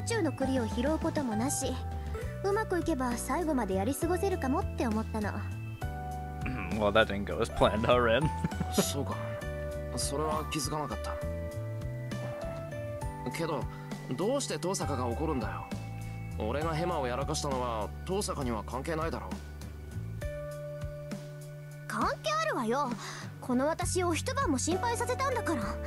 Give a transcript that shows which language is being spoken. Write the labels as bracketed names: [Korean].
[Japanese] あれはね、何も知らないあなたが一人でも生き残れるようにって考えた結果なの。脳もそのあたりを分かってなかったみたいね。俺が生き残れるように？そうよ。負けることがそのまま死につながるって知れば、そう簡単に博打は打たなくなる。エミヤ君、こういう状況でも一人で夜出歩きそうだから。私をかけておけば、渦中の栗を拾うこともなし、 [English] Well, that didn't go as planned, huh, Ren? [Japanese] そうか。それは気づかなかった。けど、どうして遠坂が怒るんだよ。俺がヘマをやらかしたのは遠坂には関係ないだろう。関係あるわよ。この私を一晩も心配させたんだから。